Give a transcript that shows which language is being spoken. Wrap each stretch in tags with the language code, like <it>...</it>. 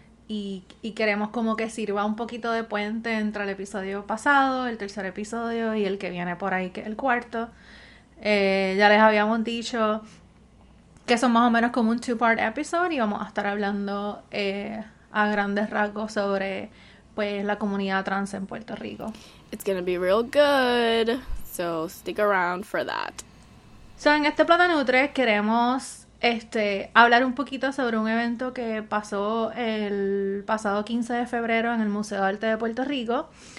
<es>Y queremos como que sirva un poquito de puente entre el episodio pasado, el tercer episodio, y el que viene por ahí, que es el cuarto. Ya les habíamos dicho que son más o menos como un</es> <en>two-part episode,</en> <es>y vamos a estar hablando a grandes rasgos sobre pues la comunidad trans en Puerto Rico.</es> <en>It's gonna be real good, so stick around for that.</en> <es>So, en este Platanutre queremos hablar un poquito sobre un evento que pasó el pasado 15 de febrero en el Museo de Arte de Puerto Rico.</es>